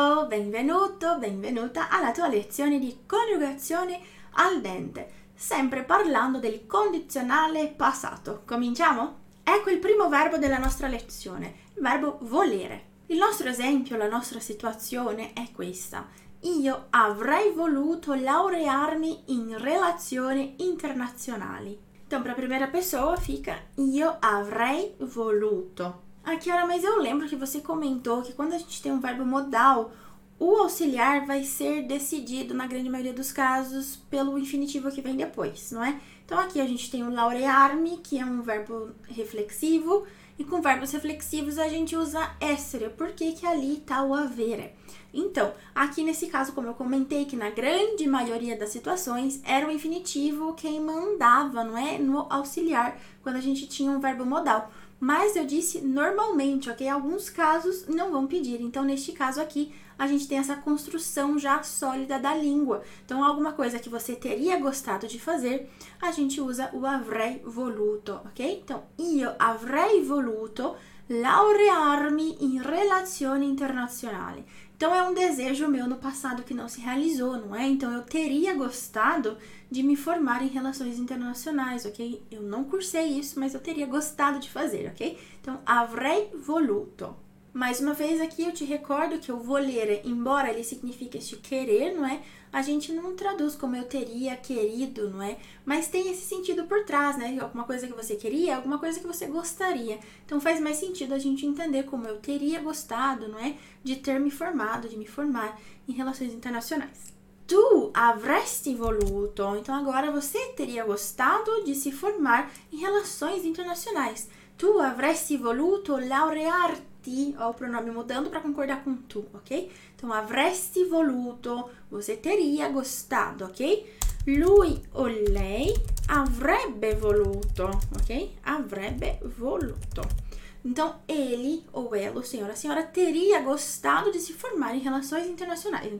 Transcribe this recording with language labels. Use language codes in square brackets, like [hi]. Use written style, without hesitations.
[it] benvenuto, benvenuta alla tua lezione di coniugazione al dente, sempre parlando del condizionale passato. Cominciamo? Ecco il primo verbo della nostra lezione, il verbo volere. Il nostro esempio, la nostra situazione è questa. Io avrei voluto laurearmi in relazioni internazionali. [pt] Então, para a primeira pessoa fica [it] io avrei voluto. [pt] Aqui, ora, mas eu lembro que você comentou que quando a gente tem um verbo modal, o auxiliar vai ser decidido, na grande maioria dos casos, pelo infinitivo que vem depois, não é? Então, aqui a gente tem o laurear-me, que é um verbo reflexivo, e com verbos reflexivos a gente usa essere, porque que ali está o avere. Então, aqui nesse caso, como eu comentei, que na grande maioria das situações era o infinitivo quem mandava, não é? No auxiliar, quando a gente tinha um verbo modal. Mas eu disse normalmente, ok? Alguns casos não vão pedir. Então, neste caso aqui, a gente tem essa construção já sólida da língua. Então, alguma coisa que você teria gostado de fazer, a gente usa o [it] avrei voluto, [pt] ok? [it] Então, io avrei voluto laurearmi in relazioni internazionali. [pt] Então, é um desejo meu no passado que não se realizou, não é? Então, eu teria gostado de me formar em relações internacionais, ok? Eu não cursei isso, mas eu teria gostado de fazer, ok? Então, [it] avrei voluto. [pt] Mais uma vez aqui, eu te recordo que o volere, embora ele signifique este querer, não é? A gente não traduz como eu teria querido, não é? Mas tem esse sentido por trás, né? Alguma coisa que você queria, alguma coisa que você gostaria. Então faz mais sentido a gente entender como eu teria gostado, não é? De ter me formado, de me formar em relações internacionais. [it] Tu avresti voluto. [pt] Então agora você teria gostado de se formar em relações internacionais. [it] Tu avresti voluto laurearti. [pt] Ti, ó, o pronome mudando para concordar com tu, ok? Então, [it] avresti voluto, [pt] você teria gostado, ok? [it] Lui ou lei avrebbe voluto, ok? Avrebbe voluto. [pt] Então, ele ou ela, o senhor, a senhora, teria gostado de se formar em relações internacionais.